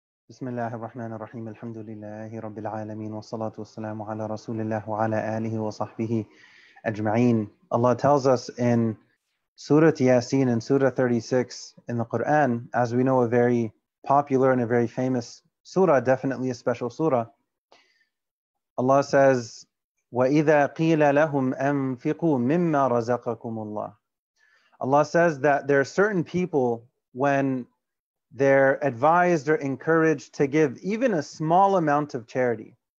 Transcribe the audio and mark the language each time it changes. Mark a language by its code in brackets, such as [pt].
[ar] بسم الله الرحمن الرحيم، الحمد لله رب العالمين، والصلاة والسلام على رسول الله وعلى آله وصحبه أجمعين. [en] Allah tells us in Surah Yasin and Surah 36 in the Quran, as we know, a very popular and a very famous surah, definitely a special surah. Allah says, [ar] وَإِذَا قِيلَ لَهُمْ أَنْفِقُوا مِمَّا رَزَقَكُمُ اللَّهُ. [en] Allah says that there are certain people when they're advised or encouraged to give even a small amount of charity.